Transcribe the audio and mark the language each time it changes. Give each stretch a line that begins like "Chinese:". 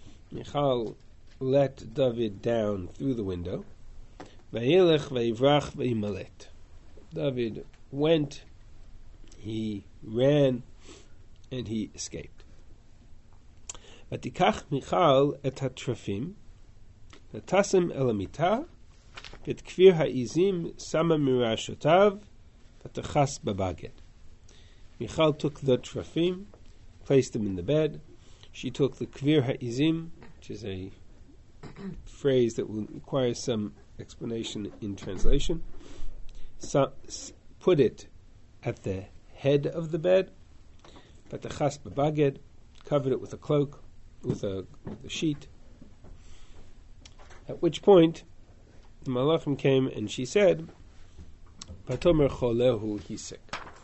English: Michal let David down through the window.
Hebrew: V'yelech v'yivrach v'yimalet.
English: David went, he ran, and he escaped.
Hebrew: ותיקח מיכל את הטרפים, ותשם אל המיטה, ואת כפיר העיזים שמה מרעשותיו, ותחס בבגד.
English: מיכל took the trefim, placed them in the bed. She took the
Hebrew: kvir ha'izim,
English: which is a phrase that will require some explanation in translation, put it at the head of the bed,
Hebrew: ותחס בבגד,
English: covered it with a cloak, with a sheet, at which point the Malachim came and she said,
Hebrew: "Patomer cholehu,
English: he's sick."